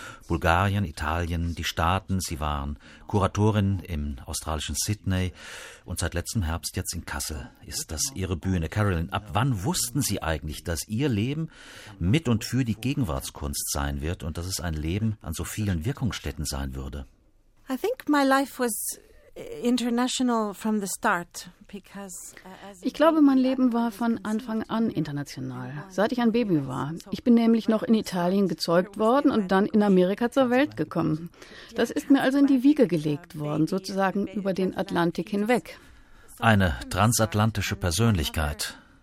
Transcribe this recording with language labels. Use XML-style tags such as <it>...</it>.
<de>Bulgarien, Italien, die Staaten, sie waren Kuratorin im australischen Sydney und seit letztem Herbst jetzt in Kassel ist das ihre Bühne. Caroline, ab wann wussten Sie eigentlich, dass Ihr Leben mit und für die Gegenwartskunst sein wird und dass es ein Leben an so vielen Wirkungsstätten sein würde?</de> <en>I think my life was international from the start.</en> <de>Ich glaube, mein Leben war von Anfang an international, seit ich ein Baby war. Ich bin nämlich noch in Italien gezeugt worden und dann in Amerika zur Welt gekommen. Das ist mir also in die Wiege gelegt worden, sozusagen über den Atlantik hinweg. Eine transatlantische Persönlichkeit.</de>